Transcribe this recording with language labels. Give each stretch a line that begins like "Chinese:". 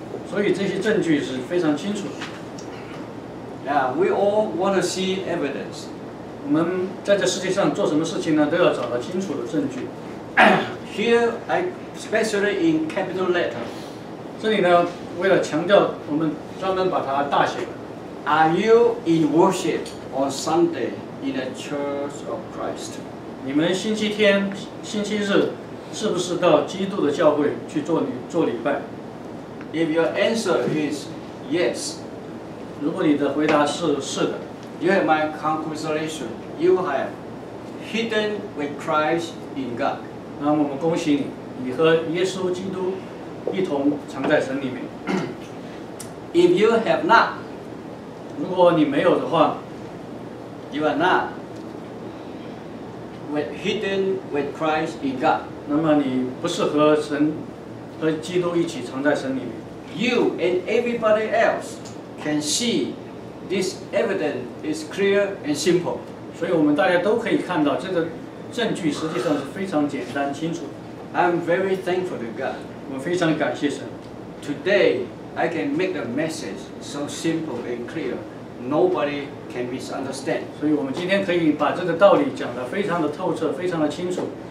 Chinese: 所以这些证据是非常清楚。
English: Yeah, we all want to see evidence.
Chinese: 我们在这世界上做什么事情呢，都要找到清楚的证据。
English: Here, I especially in capital letter.
Chinese: 这里呢，为了强调我们。 专门把它大写了。
English: Are you in worship on Sunday in the Church of Christ?
Chinese: 你们星期天、星期日是不是到基督的教会去做礼拜？
English: If your answer is yes,
Chinese: 如果你的回答是的，
English: you have my congratulation. You have hidden with Christ in God.
Chinese: 那我们恭喜你，你和耶稣基督一同藏在神里面。
English: If you have not,
Chinese: 如果你没有的话，
English: you are not hidden with Christ in God.
Chinese: 那么你不是和神和基督一起藏在神里面。
English: You and everybody else can see this evidence is clear and simple.
Chinese: 所以我们大家都可以看到这个证据实际上是非常简单清楚。
English: I'm very thankful to God.
Chinese: 我非常感谢神。
English: Today, I can make the message so simple and clear. Nobody can misunderstand.
Chinese: 所以我们今天可以把这个道理讲得非常的透彻，非常的清楚。